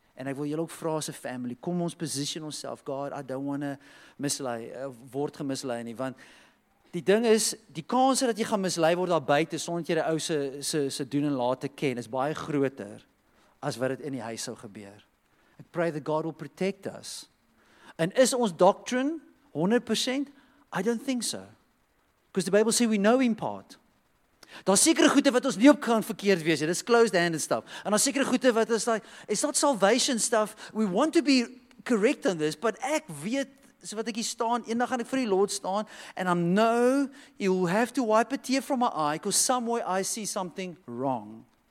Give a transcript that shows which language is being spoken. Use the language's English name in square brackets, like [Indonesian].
[Afrikaans] En ek wil julle ook vra as 'n family, kom ons position onself, God, [English] I don't want to [Afrikaans] mislei, word gemislei nie, want die ding is, die kans dat jy gaan mislei word daar buite, sonder jy die ou se doen en laat te ken, is baie groter, as wat het in die huis sou gebeur. [English] I pray that God will protect us. [Afrikaans] En is ons doctrine 100%? [English] I don't think so. Because the Bible says we know in part. [Afrikaans] Daar is sekere goede wat ons nie op kan verkeerd wees. Dit is closed-handed stuff. En daar is sekere goede wat is [English] like, it's not salvation stuff. We want to be correct on this, but [Afrikaans] ek weet, so wat ek hier staan, en dan gaan ek vir die Lord staan, [English] and I know you will have to wipe a tear from my eye, because somewhere I see something wrong.